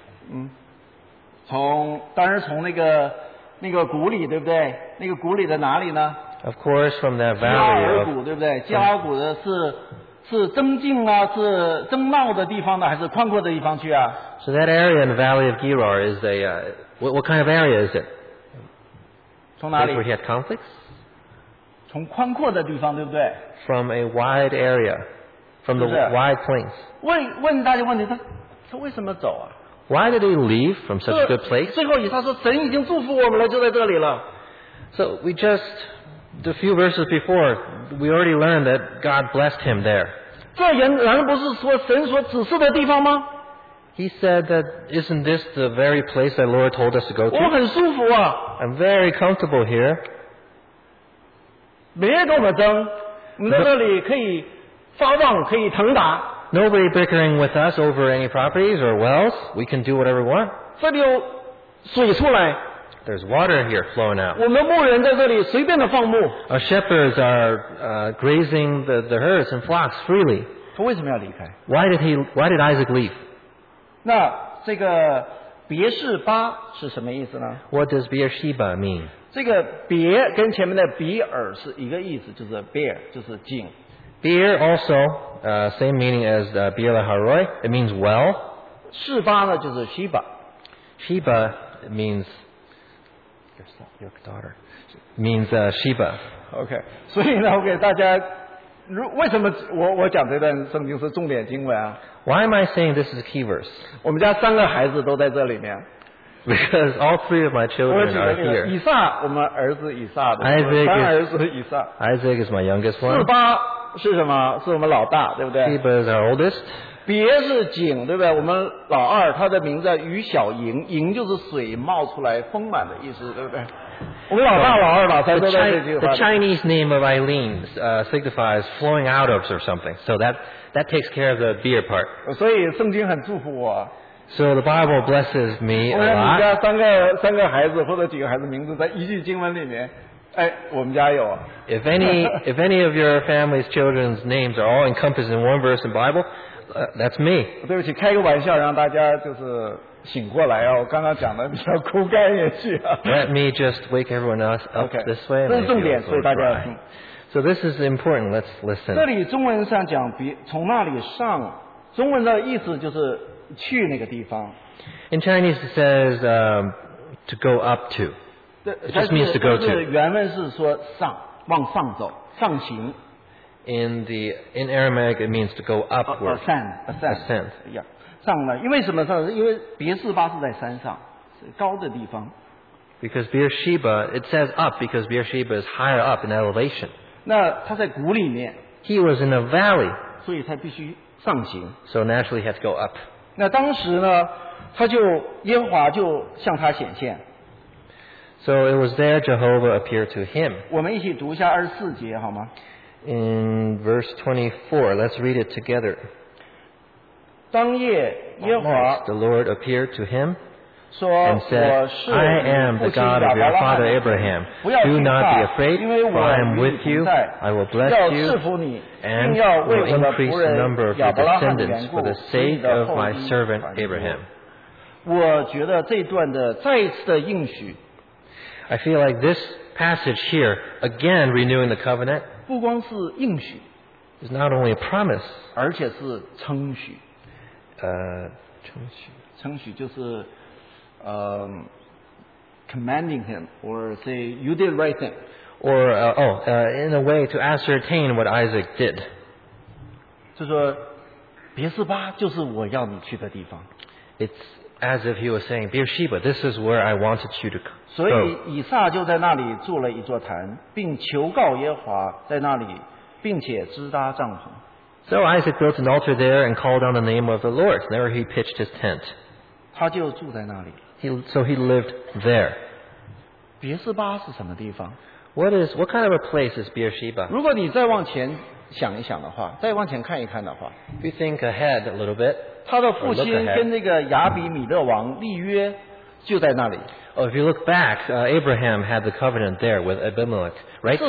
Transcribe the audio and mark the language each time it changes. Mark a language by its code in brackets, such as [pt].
[zh] 嗯，从当然从那个谷里，对不对？那个谷里的哪里呢 [en] ？Of course, from that valley. [zh] 基拉尔谷，对不对？基拉尔谷的是增进啊，是增茂的地方呢，还是宽阔的地方去啊 [en] ？So that area in the valley of Gerar is a what kind of area is it? [zh] 从哪里 [en] ？Where he had conflicts. [zh] 从宽阔的地方，对不对？ [en] From a wide area, from the wide plains. [zh] 问大家问题，他为什么走啊 [en] ？Why did he leave from such a good place? [zh] 最后以撒说，神已经祝福我们了，就在这里了。 [en] So we just the few verses before, we already learned that God blessed him there. [zh] 这人难道不是说神所指示的地方吗 [en] ？He said that isn't this the very place that Lord told us to go to? [zh] 我很舒服啊。 [en] I'm very comfortable here. [zh] 没人跟我争。我们在那里可以发旺，可以腾达。 [en] Nobody bickering with us over any properties or wells. We can do whatever we want. [zh] 这里有水出来。 [en] There's water here flowing out. [zh] 我们牧人在这里随便的放牧。 [en] Our shepherds are grazing the herds and flocks freely. [zh] 他为什么要离开 [en] ？Why did Isaac leave? [zh] 那这个别示巴是什么意思呢 [en] ？What does Beersheba mean? [zh] 这个别跟前面的比尔是一个意思，就是 bear 就是井。 [en] Beer also same meaning as Beer Lahairoi. It means well. [zh] 示巴呢就是 Sheba. [en] Sheba means your daughter means Sheba. [zh] Okay, 所以呢，我给大家，为什么我讲这段圣经是重点经文啊？ [en] Why am I saying this is a key verse? [zh] 我们家三个孩子都在这里面。 [en] Because all three of my children are here. [zh] 以撒，我们儿子以撒的。 [en] Isaac [zh] 三儿子以撒。 [en] Isaac is my youngest one. [zh] 四八是什么？是我们老大，对不对 [en] ？Sheba is our oldest. [zh] 别是井，对不对？我们老二他的名字于小莹，莹就是水冒出来、丰满的意思，对不对？我们老大、老二、老三都在这句话。 [en] The Chinese name of Eileen signifies flowing out of or something. So that takes care of the beer part. [zh] 所以圣经很祝福我。 [en] So the Bible blesses me a lot. [zh] 我们家三个孩子或者几个孩子名字在一句经文里面 [en] If any of your family's children's names are all encompassed in one verse in the Bible, that's me. [zh] 对不起, 开个玩笑, 让大家就是醒过来啊, 我刚刚讲的比较枯干也是啊。 [en] Let me just wake everyone else up okay. this way. And [zh] 这是重点, 所以大家, [en] so this is important. Let's listen. [zh] 这里中文上讲, 从那里上, 中文的意思就是去那个地方。 [en] In Chinese, it says to go up to. It just means to go to. [zh] 原文是说上, 往上走, 上行。 [en] In Aramaic, it means to go upward. Ascend. Yeah. [zh] 上了, 因为什么上, 因为别士巴是在山上, 高的地方。 [en] Because Beersheba, it says up because Beersheba is higher up in elevation. [zh] 那他在谷里面, [en] he was in a valley. [zh] 所以他必须上行。 [en] So naturally, he had to go up. [zh] 那当时呢, 他就, 耶和华就向他显现。 [en] So it was there Jehovah appeared to him. [zh] 我们一起读一下24节, 好吗? [en] In verse 24, let's read it together. [zh] 当夜, 耶和华, [en] the Lord appeared to him [zh] 说, [en] and said, I am the God of your father Abraham. [zh] 不要惧怕, [en] do not be afraid, for I am with you. I will bless you [zh] 要赐福你, [en] and will increase the number of your descendants for the sake of my servant Abraham. [zh] 我觉得这段的再一次的应许, [en] I feel like this passage here, again renewing the covenant, [zh] 不光是应许, [en] is not only a promise, [zh] 而且是称许, 称许, 称许就是, [en] commanding him, or say, you did right thing. Or, in a way to ascertain what Isaac did. [zh] 就说, 别士巴就是我要你去的地方。 [en] It's as if he was saying, Beersheba, this is where I wanted you to go. [zh] 所以以撒就在那里筑了一座坛, 并求告耶和华在那里, 并且支搭帐篷。 [en] So Isaac built an altar there and called on the name of the Lord. There he pitched his tent. [zh] 他就住在那里。 [en] So he lived there. [zh] 别士巴是什么地方? [en] What kind of a place is Beersheba? [zh] 如果你再往前想一想的话, 再往前看一看的话, [en] if you think ahead a little bit, [zh] 他的父亲跟那个亚比米勒王立约就在那里。 [en] Oh, if you look back, Abraham had the covenant there with Abimelech, right there.